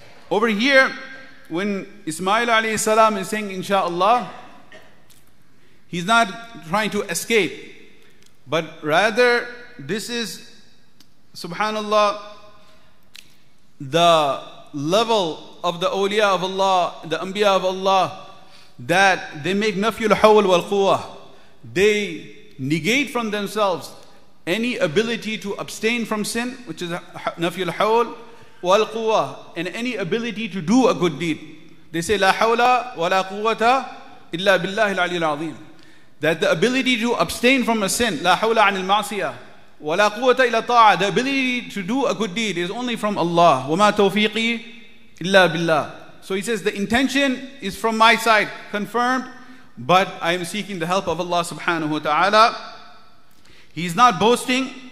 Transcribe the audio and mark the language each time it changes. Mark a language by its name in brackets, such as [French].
[English] Over here, when Ismail alayhi salam is saying insha'Allah, he's not trying to escape, but rather this is, subhanAllah, the level of the awliya of Allah, the anbiya of Allah, that they make nafyul hawl wal quwwah. They negate from themselves any ability to abstain from sin, which is nafyul hawl, والقوه, and any ability to do a good deed. They say, [Arabic] لا حول ولا قوة إلا بالله العلي العظيم. [English] That the ability to abstain from a sin, [Arabic] لا حول عن المعصية ولا قوة إلا طاعة. [English] The ability to do a good deed is only from Allah. [Arabic] وما توفيقي إلا بالله. [English] So he says, the intention is from my side, confirmed, but I am seeking the help of Allah subhanahu wa ta'ala. He's not boasting.